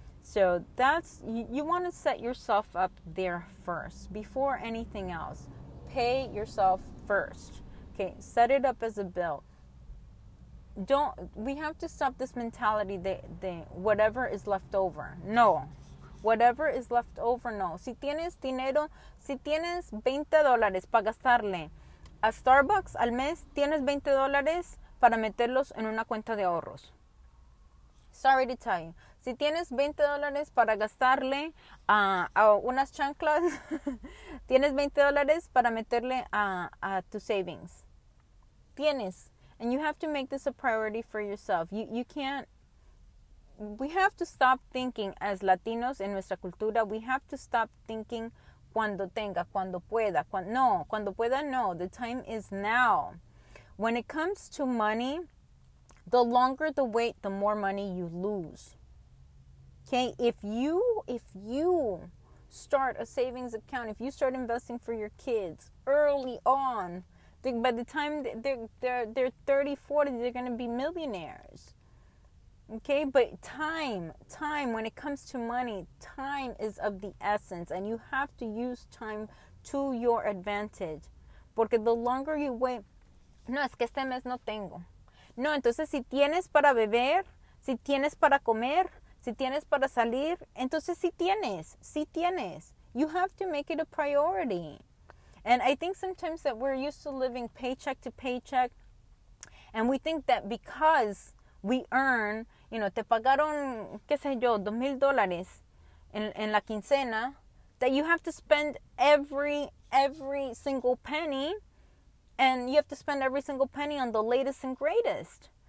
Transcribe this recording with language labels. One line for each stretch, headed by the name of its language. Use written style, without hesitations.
English: So that's, you want to set yourself up there first before anything else. Pay yourself first. Okay, set it up as a bill. We have to stop this mentality that whatever is left over. No. Whatever is left over, no.
Spanish: Si tienes dinero, si tienes $20 para gastarle a Starbucks al mes, tienes $20 para meterlos en una cuenta de ahorros.
English: Sorry to tell you.
Spanish: Si tienes $20 para gastarle a unas chanclas, tienes $20 para meterle a tu savings. Tienes.
English: And you have to make this a priority for yourself. You can't. We have to stop thinking as Latinos in
Spanish: nuestra cultura.
English: We have to stop thinking
Spanish: cuando tenga, cuando pueda. Cuando pueda, no.
English: The time is now. When it comes to money, the longer the wait, the more money you lose. Okay, if you start a savings account, if you start investing for your kids early on, by the time they're 30, 40, they're going to be millionaires. Okay, but time, when it comes to money, time is of the essence. And you have to use time to your advantage.
Spanish: Porque
English: the longer you wait,
Spanish: no, es que este mes no tengo. No, entonces si tienes para beber, si tienes para comer, si tienes para salir, entonces si tienes.
English: You have to make it a priority. And I think sometimes that we're used to living paycheck to paycheck, and we think that because we earn, you know,
Spanish: te pagaron, qué sé yo, $2,000 en la quincena,
English: that you have to spend every single penny, and you have to spend every single penny on the latest and greatest.